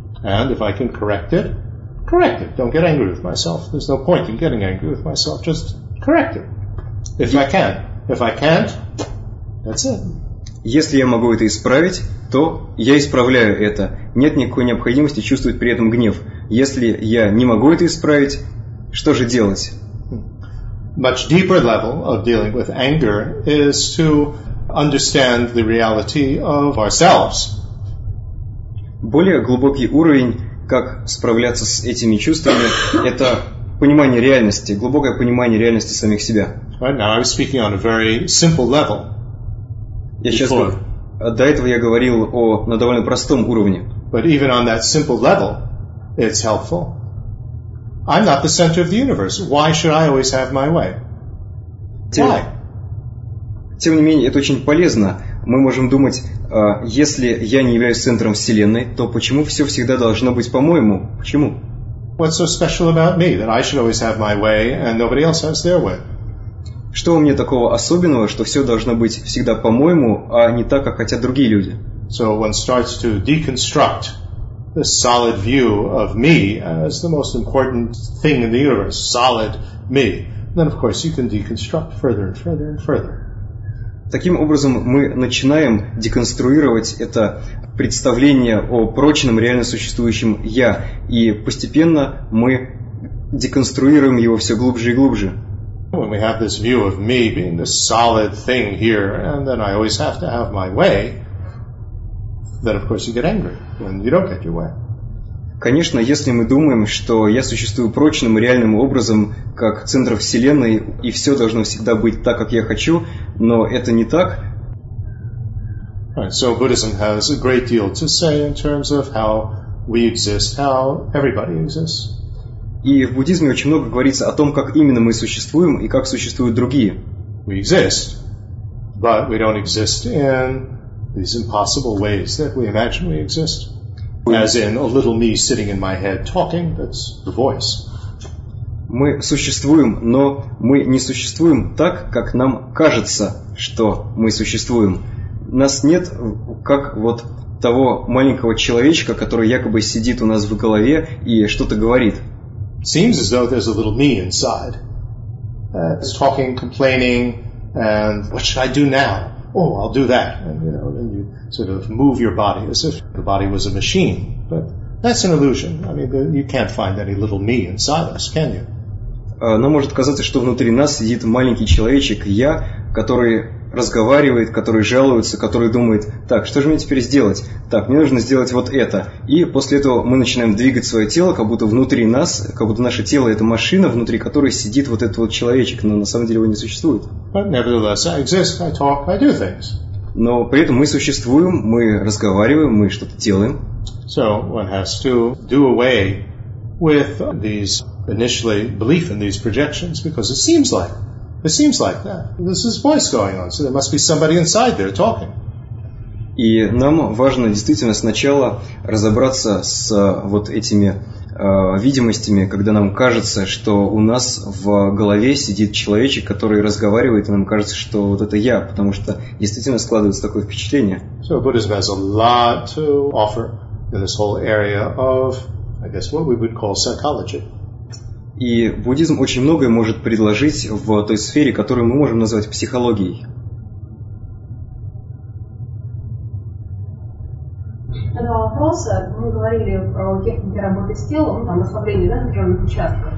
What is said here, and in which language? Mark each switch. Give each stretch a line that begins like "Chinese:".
English: And if I can correct it, correct it. Don't get angry with myself. There's no point in getting angry with myself. Just correct it. If I can. If I can't, that's it.
Russian: Если я могу это исправить, то я исправляю это. Нет никакой необходимости чувствовать при этом гнев. Если я не могу это исправить, что же делать?
English: Much deeper level of dealing with anger is to understand the reality of ourselves.
Russian: Более глубокий уровень, как справляться с этими чувствами, это понимание реальности, глубокое понимание реальности самих себя.
English: Right now I was speaking on a very simple level.
Russian: До этого я говорил о на довольно простом уровне.
English: But even on that simple level, it's helpful. I'm not the center of the universe. Why should I always have my way? Why?
Russian: Тем не менее, это очень полезно. Мы можем думать, если я не являюсь центром Вселенной, то почему все всегда должно быть по-моему? Почему?
English: What's so special about me that I should always have my way and nobody else has their way?
Russian: Что у меня такого особенного, что все должно быть всегда по-моему, а не так, как хотят другие люди?
English: So one starts to deconstruct the solid view of me as the most important thing in the universe, solid me. Then, of course, you can deconstruct further and further and further.
Russian: Таким образом, мы начинаем деконструировать это представление о прочном, реально существующем «я», и постепенно мы деконструируем его все глубже и глубже.
English: When we have this view of me being this solid thing here, and then I always have to have my way, then of course you get angry when you don't get your way.
Russian: Конечно, если мы думаем, что я существую прочным и реальным образом, как центр Вселенной, и все должно всегда быть так, как я хочу, но это не так.
English: Right, so Buddhism has a great deal to say in terms of how we exist, how everybody exists.
Russian: И в буддизме очень много говорится о том, как именно мы существуем и как существуют другие.
English: We exist, but we don't exist in these impossible ways that we imagine we exist. As in a little me sitting in my head talking, that's the voice.
Russian: Мы существуем, но мы не существуем так, как нам кажется, что мы существуем. Нас нет, как вот того маленького человечка, который якобы сидит у нас в голове и что-то говорит.
English: Seems as though there's a little me inside. It's talking, complaining, and what should I do now? Oh, I'll do that. And you know, then you sort of move your body as if the body was a machine. But that's an illusion. I mean, you can't find any little me inside us, can you?
Russian: Но может казаться, что внутри нас сидит маленький человечек, я, который разговаривает, который жалуется, который думает, так, что же мне теперь сделать? Так, мне нужно сделать вот это. И после этого мы начинаем двигать свое тело, как будто внутри нас, как будто наше тело – это машина, внутри которой сидит вот этот вот человечек, но на самом деле его не существует.
English: But nevertheless, I exist, I talk, I do things.
Russian: Но при этом мы существуем, мы разговариваем, мы что-то делаем.
English: So one has to do away with these, initially, belief in these projections, because it seems like that. This is voice going on, so there must be somebody inside there talking.
Russian: И нам важно действительно сначала разобраться с вот этими видимостями, когда нам кажется, что у нас в голове сидит человечек, который разговаривает, и нам кажется, что вот это я, потому что действительно складывается такое впечатление.
English: So Buddhism has a lot to offer in this whole area of, I guess, what we would call psychology.
Russian: И буддизм очень многое может предложить в той сфере, которую мы можем назвать психологией. Два вопроса. Мы говорили про техники работы с телом, там ослабление, да, напряженных участков.